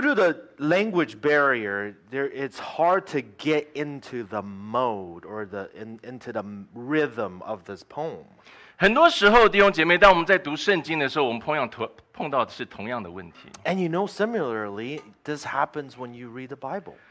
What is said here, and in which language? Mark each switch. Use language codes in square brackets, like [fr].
[en] to the language barrier, it's hard to get into the mode or into the rhythm of this poem. [zh] 很多时候，弟兄姐妹，当我们在读圣经的时候，我们碰到的是同样的问题。 [en] And you know, similarly, this happens when you read the Bible.